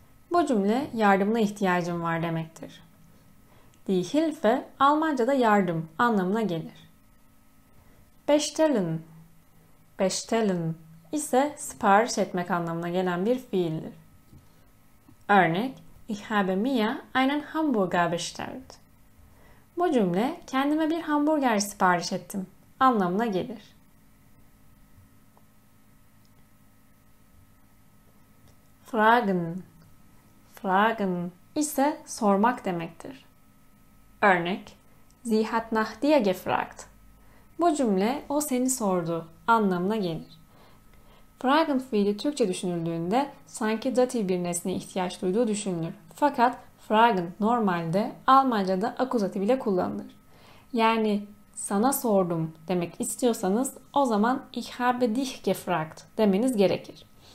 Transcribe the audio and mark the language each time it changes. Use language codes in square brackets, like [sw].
[tr] Bu cümle yardımına ihtiyacım var demektir. Die Hilfe Almanca'da yardım anlamına gelir. Bestellen. Bestellen ise sipariş etmek anlamına gelen bir fiildir. Örnek: [de] Ich habe mir einen Hamburger bestellt. [tr] Bu cümle kendime bir hamburger sipariş ettim anlamına gelir. Fragen. Fragen ise sormak demektir. Örnek: [de] Sie hat nach dir gefragt. [tr] Bu cümle o seni sordu anlamına gelir. Fragen fiili Türkçe düşünüldüğünde sanki datif bir nesneye ihtiyaç duyduğu düşünülür. Fakat Fragen normalde Almanca'da akuzatif ile kullanılır. Yani sana sordum demek istiyorsanız o zaman [de] Ich habe dich gefragt [tr] demeniz gerekir.